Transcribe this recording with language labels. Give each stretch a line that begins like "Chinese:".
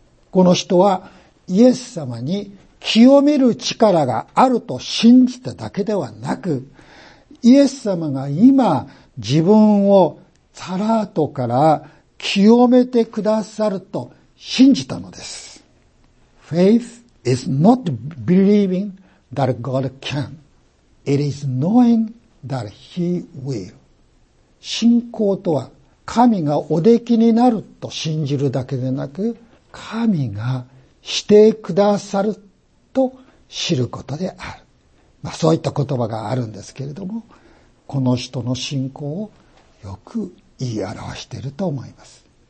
Japanese: この人はイエス様に清める力があると信じただけではなく、イエス様が今自分をサラートから清めてくださると信じたのです。
English: Faith is not believing that God can. It is knowing that He will.
Japanese: 信仰とは、神がおできになると信じるだけでなく、神がしてくださると知ることである。まあそういった言葉があるんですけれども、この人の信仰をよく言い表していると思います。